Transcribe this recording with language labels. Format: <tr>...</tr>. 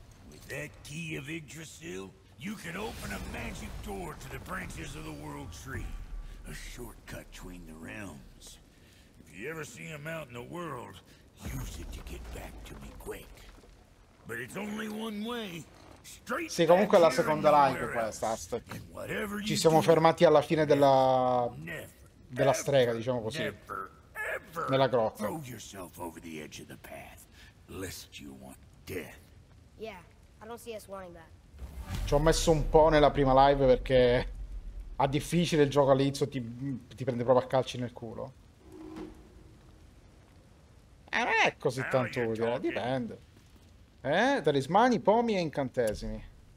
<en>With that key of Yggdrasil, you can open a magic door to the branches of the World Tree. A shortcut between the realms. If you ever see him out in the world, use it to get back to me quick. But it's only one way. Straight.</en> <it>Sì, comunque è la seconda live questa, Aztec. Ci siamo fermati alla fine della. Della strega, diciamo così. Nella grotta.</it> <en>Throw yourself over the edge of the path, lest you want death. Yeah, I don't see us wanting that.</en> <it>Ci ho messo un po' nella prima live perché a difficile il gioco all'inizio ti prende proprio a calci nel culo. Non è così tanto utile, dipende. Talismani, pomi e incantesimi.</it>